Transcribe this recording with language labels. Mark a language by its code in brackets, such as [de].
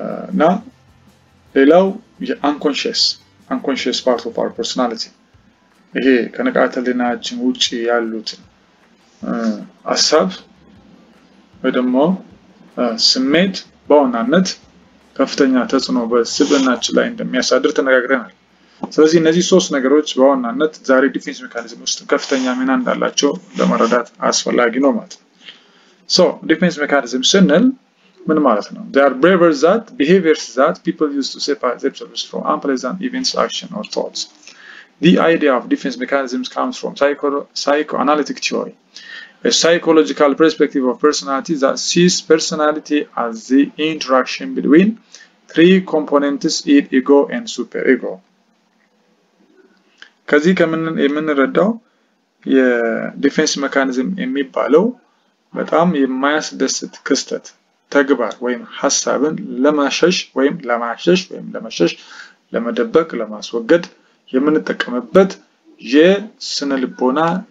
[am] እና ሌላው [en] የአንኮንሽስ ፓርት ኦፍ አር ፐርሶናሊቲ [am] ይሄ ከንቃተ ህሊናችን ውጪ ያሉት ሀሳብ ወይ ደግሞ ስሜት በዋናነት ከፍተኛ ተጽዕኖ በስብዕናችን ላይ እንደሚያሳድር ተነጋግረናል ስለዚህ እነዚህ ሶስት ነገሮች በዋናነት ዛሬ ዲፌንስ ሜካኒዝም ውስጥ ከፍተኛ ሚና እንዳላቸው ለመረዳት አስፈላጊ ነው ማለት ነው። ሶ ዲፌንስ ሜካኒዝም ስንል ምን ማለት ነው? [en] They are braver that behaviors that people use to separate themselves from unpleasant events, actions or thoughts. The idea of defense mechanisms comes from psychoanalytic theory, a psychological perspective of personality that sees personality as the interaction between three components, id, ego and superego. [am] ከዚህ የምንረዳው የዲፌንስ ሜካኒዝም የሚባለው በጣም የማያስደስት ክስተት ተግባር ወይም ሐሳብን ለማሸሽ ለመደበቅ ለማስወገድ የምንጠቀምበት የስነ ልቦና